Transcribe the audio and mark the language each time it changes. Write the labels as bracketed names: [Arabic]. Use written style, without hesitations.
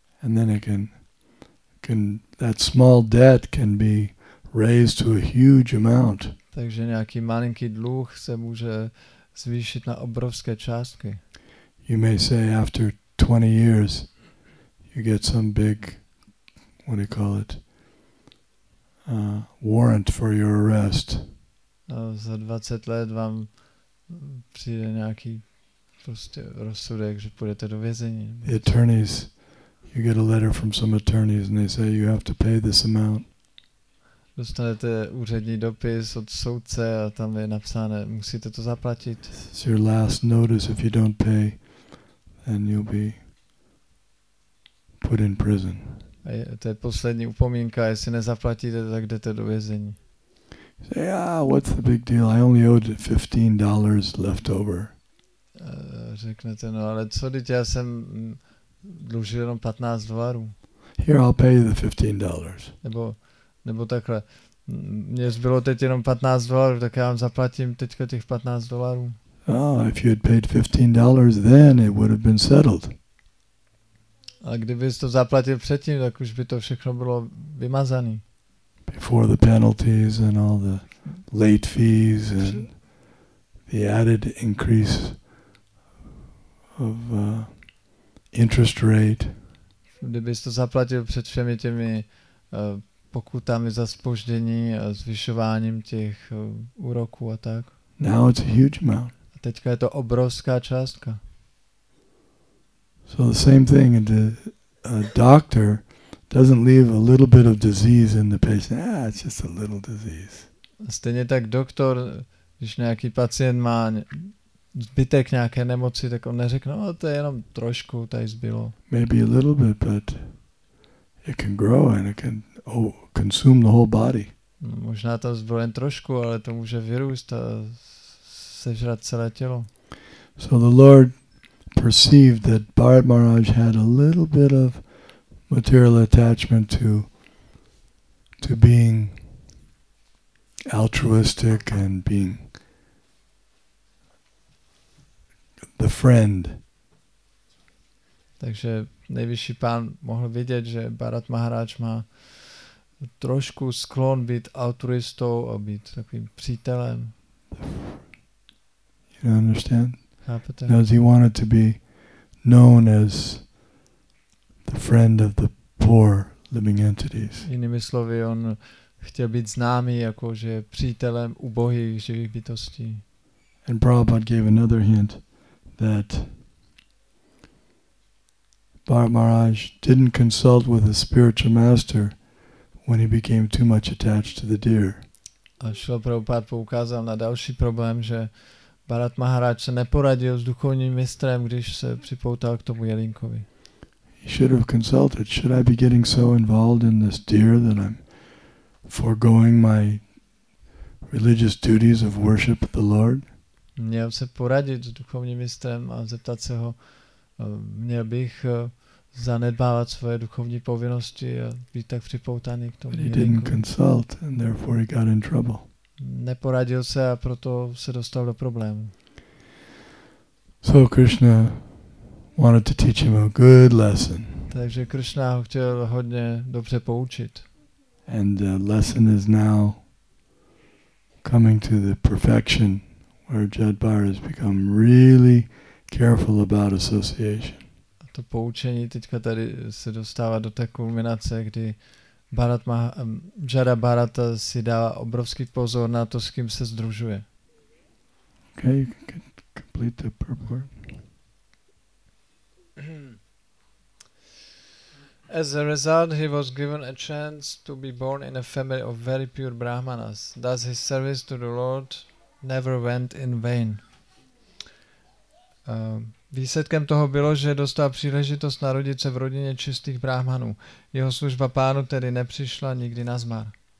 [English] And then it can that small debt can be raised to a huge amount. [Czech] Takže nějaký malinký dluh se může zvýšit na obrovské částky. [English] You may say after 20 years you get some big, what do you call it, warrant for your arrest. [Czech] Za 20 let vám přijde nějaký prostě rozsudek, že půjdete do vězení. [English] The attorneys, you get a letter from some attorneys and they say you have to pay this amount. [Czech] Dostanete úřední dopis od soudce a tam je napsáno, musíte to zaplatit. [English] It's your last notice, if you don't pay, then you'll be put in prison. [Czech] A to je poslední upomínka, jestli nezaplatíte, tak jdete do vězení. [English] Say, what's the big deal? I only owed $15 left over. [Czech] Řeknete, no ale co, teď já jsem dlužil jenom $15. [English] Here, I'll pay you the $15. [Czech] Nebo takhle, mně zbylo teď jenom $15, tak já vám zaplatím teďka těch $15. [English] If you had paid $15, then it would have been settled. [Czech] A kdybys to zaplatil předtím, tak už by to všechno bylo vymazané. [English] Before the penalties and all the late fees and the added increase of interest rate. [Czech] Kdybys to zaplatil před všemi těmi pokutami za zpoždění a zvyšováním těch úroků a tak. [English] Now it's a huge amount. [Czech] A teďka je to obrovská částka. [English] So the same thing, a doctor doesn't leave a little bit of disease in the patient. It's just a little disease. [Czech] Stejně tak doktor, když nějaký pacient má zbytek nějaké nemoci, tak on neřekne, to je jenom trošku, tady zbylo. [English] Maybe a little bit, but it can grow and it can consume the whole body. [Czech] Možná tam zbylo jen trošku, ale to může vyrůst a sežrat celé tělo. [English] So the Lord perceived that Bharat Maharaj had a little bit of material attachment to being altruistic and being the friend. [Czech] Takže nejvyšší pán mohl vidět, že Bharat Maharaj má trošku sklon být altruistou a být takovým přítelem. [English] You don't understand? [Czech] Chápete? [English] Because he wanted to be known as the friend of the poor living entities. [Czech] Jinými slovy, on chtěl být známý jako že přítelem ubohých živých bytostí. [English] And Prabhupada gave another hint that Bharat Maharaj didn't consult with a spiritual master when he became too much attached to the deer. [Czech] A Šíla Prabhupád poukázal na další problém, že Bharat Maharaj se neporadil s duchovním mistrem, když se připoutal k tomu jelínkovi. [English] He should have consulted. Should I be getting so involved in this deer that I'm foregoing my religious duties of worship the Lord? [Czech] Měl se poradit s duchovním mistrem a zeptat se ho, měl bych zanedbávat svoje duchovní povinnosti a být tak připoutaný k tomu. [English] He didn't consult and therefore he got in trouble. [Czech] Neporadil se a proto se dostal do problému. [English] So Krishna wanted to teach him a good lesson. [Czech] Takže Krishna ho chtěl hodně dobře poučit. [English] And the lesson is now coming to the perfection where Jadbar has become really careful about association. [Czech] A to poučení teďka tady se dostává do té kulminace, kdy Bharat Jada Bharata si dává obrovský pozor na to, s kým se združuje. [English] Okay, you can complete the purport. As a result, he was given a chance to be born in a family of very pure brahmanas. Thus, his service to the Lord never went in vain. [Czech] Výsledkem toho bylo, že dostal příležitost narodit se v rodině čistých brahmanů. Jeho služba pánu tedy nepřišla nikdy na zmar.